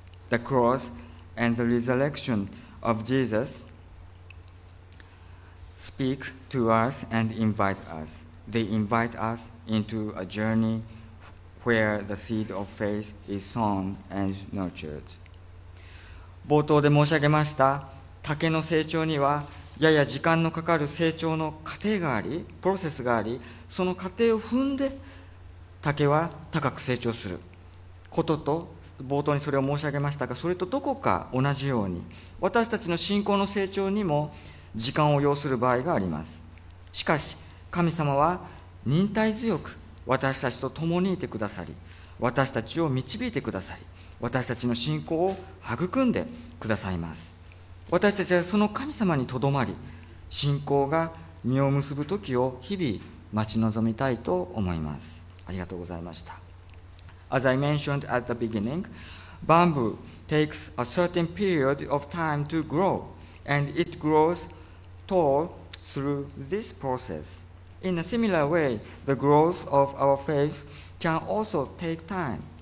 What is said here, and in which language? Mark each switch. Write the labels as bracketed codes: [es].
[en] The cross and the resurrection of Jesus speak to us and invite us. They invite us into a journey where the seed of faith is sown and nurtured. [ja] 冒頭で申し上げました、竹の成長にはやや時間のかかる成長の過程があり、プロセスがあり、その過程を踏んで竹は高く成長することと、冒頭にそれを申し上げましたが、それとどこか同じように私たちの信仰の成長にも時間を要する場合があります。しかし神様は忍耐強く私たちと共にいてくださり、私たちを導いてくださり、私たちの信仰を育んでくださいます。私たちはその神様にとどまり、信仰が実を結ぶ時を日々待ち望みたいと思います。ありがとうございました。 [en] As I mentioned at the beginning, bamboo takes a certain period of time to grow, and it grows tall through this process. In a similar way, the growth of our faith can also take time.